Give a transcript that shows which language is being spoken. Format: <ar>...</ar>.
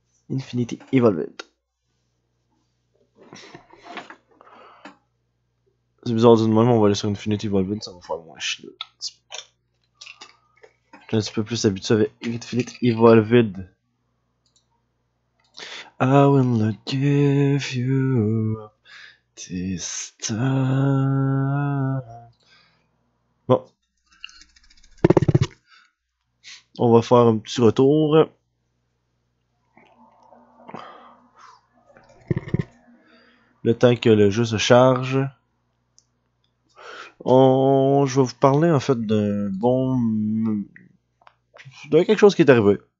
<fr>Infinity Evolved. C'est bizarre de même, on va aller sur Infinity Evolved, ça va faire moins chier. Un petit peu plus habitué avec Infinity Evolved.</fr> <en>I will not give you up this time.</en> <fr>On va faire un petit retour. Le temps que le jeu se charge. Je vais vous parler en fait d'un bon. De quelque chose qui est arrivé.</fr>